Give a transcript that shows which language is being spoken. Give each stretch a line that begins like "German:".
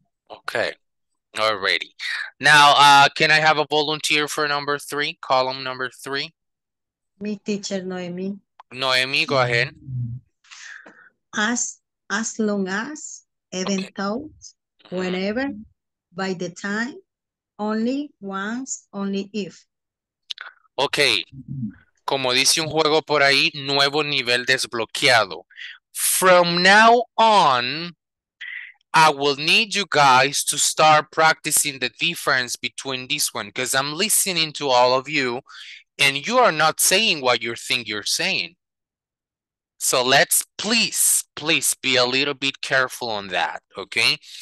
English: Okay, alrighty. Now, can I have a volunteer for number three, column number three? Me, teacher, Noemi. Noemi, go ahead. As long as, even okay. Though, whenever, by the time, only once, only if.
Spanish: Okay, como dice un juego por ahí, nuevo nivel desbloqueado.
English: From now on, I will need you guys to start practicing the difference between this one, because I'm listening to all of you and you are not saying what you think you're saying. So let's please be a little bit careful on that, okay?